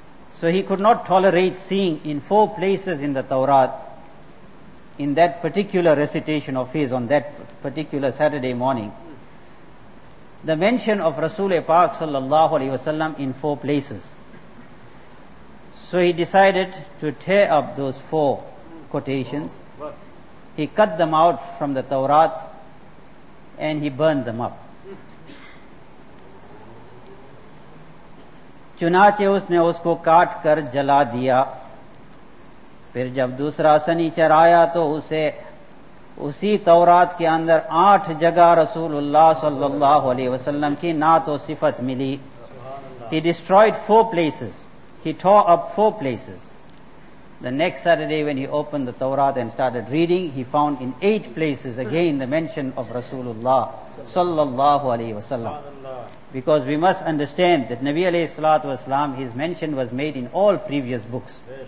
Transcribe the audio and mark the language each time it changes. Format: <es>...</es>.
<en>So he could not tolerate seeing in four places in the Taurat, in that particular recitation of his on that particular Saturday morning, the mention of Rasul-e-Pak sallallahu alayhi wasallam in four places. So he decided to tear up those four quotations. He cut them out from the Taurat and he burned them up.</en> <ur>چنانچہ اس نے اس کو کاٹ کر جلا دیا پھر جب دوسرا سنیچر آیا تو اسے اسی تورات کے اندر آٹھ جگہ رسول اللہ صلی اللہ علیہ وسلم کی نعت و صفت ملی.</ur> <en>He destroyed four places. He tore up four places. The next Saturday when he opened the Taurat and started reading, he found in eight places again the mention of Rasulullah sallallahu alayhi wa sallam. Because we must understand that Nabi alayhi salatu wasalam, his mention was made in all previous books.</en>